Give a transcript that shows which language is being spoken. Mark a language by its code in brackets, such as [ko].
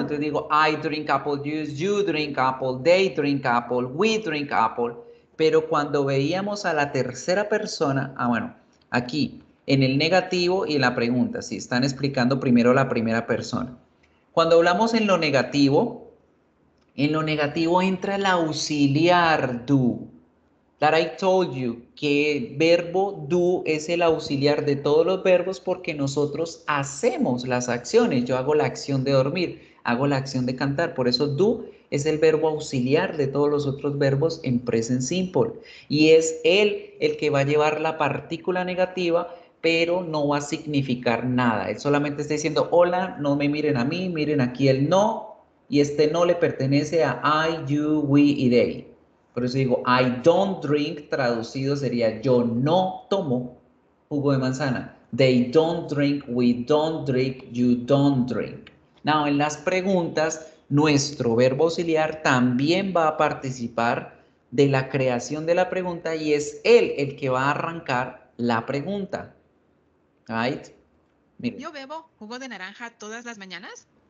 [es] Entonces digo [en] I drink apple juice, you drink apple, they drink apple, we drink apple. [es] Pero cuando veíamos a la tercera persona, aquí en el negativo y en la pregunta, si están explicando primero la primera persona. Cuando hablamos en lo negativo entra el auxiliar do. [en] That I told you, [es] que el verbo do es el auxiliar de todos los verbos porque nosotros hacemos las acciones. Yo hago la acción de dormir, hago la acción de cantar. Por eso do es el verbo auxiliar de todos los otros verbos en present simple. Y es él el que va a llevar la partícula negativa, pero no va a significar nada. Él solamente está diciendo, hola, no me miren a mí, miren aquí el no. Y este no le pertenece a I, you, we y they. Por eso digo, [en] I don't drink, [es] traducido sería, yo no tomo jugo de manzana. [en] They don't drink, we don't drink, you don't drink. [es] Now, en las preguntas, nuestro verbo auxiliar también va a participar de la creación de la pregunta y es él el que va a arrancar la pregunta. [en] Right? [es] Mire. Yo bebo jugo de naranja todas las mañanas.